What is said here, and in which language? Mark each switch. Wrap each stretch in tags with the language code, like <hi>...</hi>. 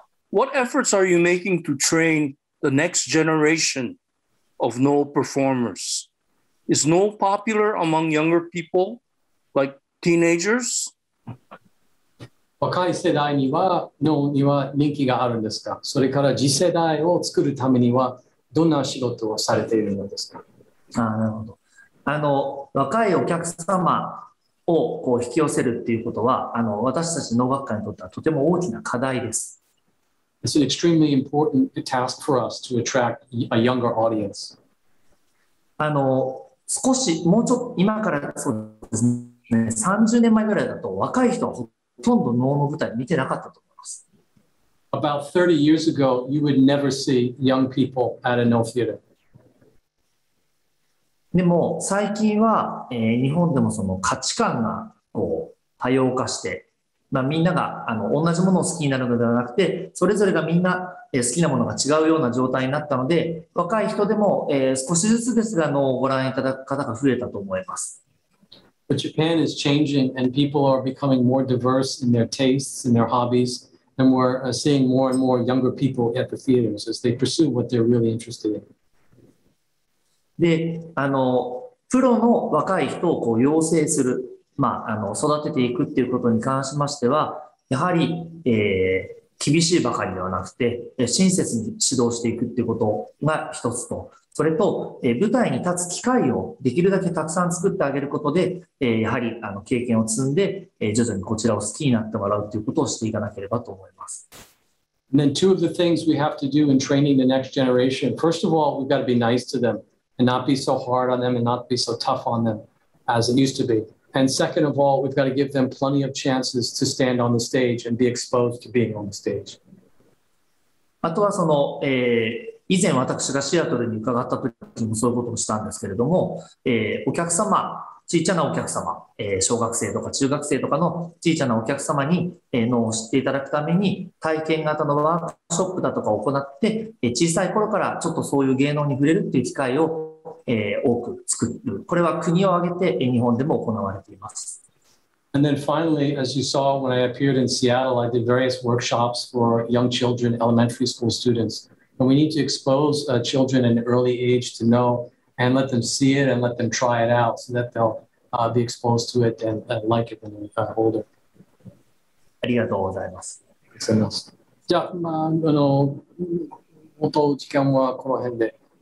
<en>What efforts are you making to train the next generation of no performers? Is no popular among younger people, like teenagers?</en> <ja>若い世代にはのには人気があるんですか。それから次世代を作るためにはどんな仕事をされているのですか。ああ、なるほど。若いお客様をこう引き寄せるっていうことは私たち農学科にとってはとても大きな課題です。</ja> <en>It's an extremely important task for us to attract a younger audience.</en> <ja>少しもうちょっと今からそうですね。30年前ぐらいだと若い人はほとんど能の舞台見てなかったと思います。</ja> <en>About 30 years ago, you would never see young people at a no theater.</en> <ja>でも最近は、日本でもその価値観がこう多様化して。まあ、みんなが同じものを好きになるのではなくて、それぞれがみんな、好きなものが違うような状態になったので、若い人でも、少しずつですが、のをご覧いただく方が増えたと思います。</ja> <en>But Japan is changing and people are becoming more diverse in their tastes and their hobbies, and we're seeing more and more younger people at the theaters as they pursue what they're really interested in.</en> <ja>で、プロの若い人をこう養成する。まあ、育てていくっていうことに関しましては、やはり、厳しいばかりではなくて、親切に指導していくっていうことが一つと、それと、舞台に立つ機会をできるだけたくさん作ってあげることで、やはり、経験を積んで、徐々にこちらを好きになってもらうっていうことをしていかなければと思います。</ja> <en>And then two of the things we have to do in training the next generation. First of all, we've got to be nice to them and not be so hard on them and not be so tough on them as it used to be. And second of all, we've got to give them plenty of chances to stand on the stage and be exposed to being on the stage.</en> <ja>あとはその、以前私がシアトルに伺った時もそういうことをしたんですけれども、お客様、小さなお客様、小学生とか中学生とかの小さなお客様に、のを知っていただくために体験型のワークショップだとかを行って、小さい頃からちょっとそういう芸能に触れるっていう機会を多く作る。これは国を挙げて日本でも行われています。</ja> <en>And then finally, as you saw when I appeared in Seattle, I did various workshops for young children, elementary school students. And we need to expose children in early age to know and let them see it and let them try it out so that they'll be exposed to it and like it when they get older.</en> <ja>ありがとうございます。じゃあ、まあ、元時間はこの辺で。</ja>